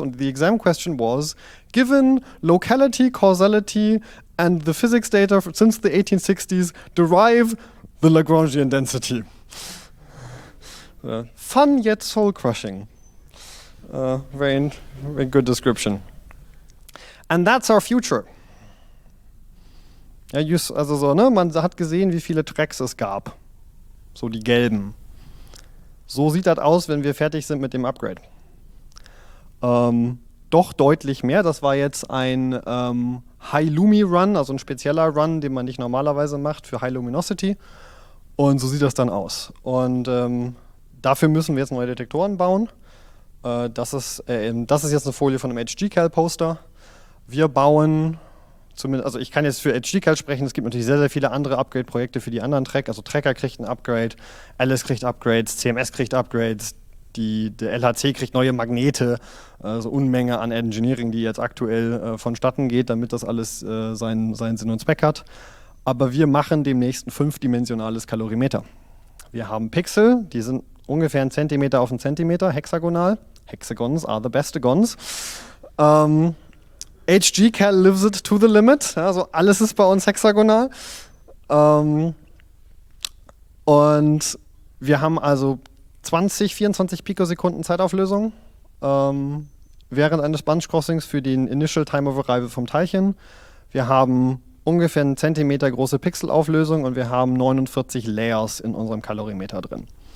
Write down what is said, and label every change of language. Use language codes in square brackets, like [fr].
[en] And the exam question was, given locality, causality and the physics data since the 1860s, derive the Lagrangian density. Fun yet soul-crushing. Very, very good description. And that's our future. [de] Ja, also so, ne? Man hat gesehen, wie viele Tracks es gab. So die gelben. So sieht das aus, wenn wir fertig sind mit dem Upgrade. Doch deutlich mehr. Das war jetzt ein High Lumi Run, also ein spezieller Run, den man nicht normalerweise macht für High Luminosity. Und so sieht das dann aus. Und dafür müssen wir jetzt neue Detektoren bauen. Das ist jetzt eine Folie von einem HGCAL-Poster. Wir bauen, zumindest, also ich kann jetzt für HGCAL sprechen, es gibt natürlich sehr, sehr viele andere Upgrade-Projekte für die anderen Tracker. Also Tracker kriegt ein Upgrade, Alice kriegt Upgrades, CMS kriegt Upgrades, der LHC kriegt neue Magnete, also Unmenge an Engineering, die jetzt aktuell vonstatten geht, damit das alles seinen Sinn und Zweck hat. Aber wir machen demnächst ein fünfdimensionales Kalorimeter. Wir haben Pixel, die sind ungefähr 1 cm auf 1 cm, hexagonal. [en] Hexagons are the bestagons. HGCAL lives it to the limit. [de] Also alles ist bei uns hexagonal. Und wir haben also 20, 24 Pikosekunden Zeitauflösung während eines Bunch Crossings für den Initial Time of Arrival vom Teilchen. Wir haben ungefähr 1 cm große Pixelauflösung und wir haben 49 Layers in unserem Kalorimeter drin.